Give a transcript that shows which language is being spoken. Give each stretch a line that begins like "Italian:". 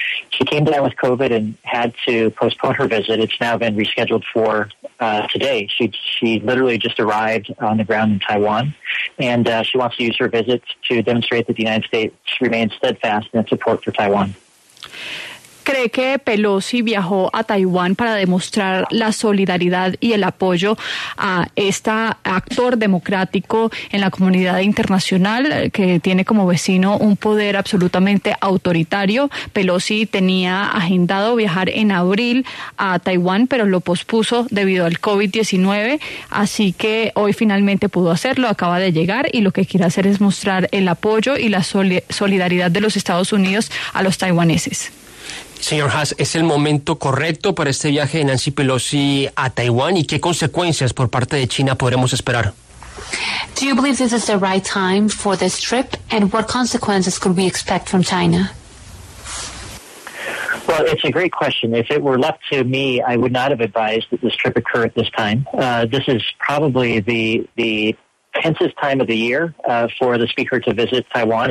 English: She came down with COVID and had to postpone her visit. It's now been rescheduled for today. She literally just arrived on the ground in Taiwan, and she wants to use her visit to demonstrate that the United States remains steadfast in its support for Taiwan.
Spanish: ¿Cree que Pelosi viajó a Taiwán para demostrar la solidaridad y el apoyo a este actor democrático en la comunidad internacional que tiene como vecino un poder absolutamente autoritario? Pelosi tenía agendado viajar en abril a Taiwán, pero lo pospuso debido al COVID-19, así que hoy finalmente pudo hacerlo, acaba de llegar, y lo que quiere hacer es mostrar el apoyo y la solidaridad de los Estados Unidos a los taiwaneses. Señor Haas, ¿es el momento correcto para este viaje de Nancy Pelosi a Taiwán, y qué consecuencias por parte de China podremos esperar?
English: Do you believe this is the right time for this trip, and what consequences could we expect from China? Well, it's a great question. If it were left to me, I would not have advised that this trip occur at this time. This is probably the tensest time of the year for the speaker to visit Taiwan.